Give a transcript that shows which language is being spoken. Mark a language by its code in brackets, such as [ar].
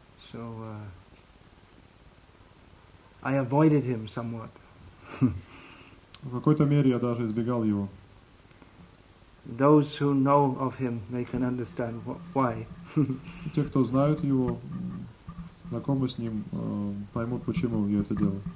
[en] So, I avoided him somewhat. [ru] В какой-то мере я даже избегал его. [en] Those who know of him, they can understand why. [ru] Те, кто знают его, знакомы с ним, поймут, почему я это делаю.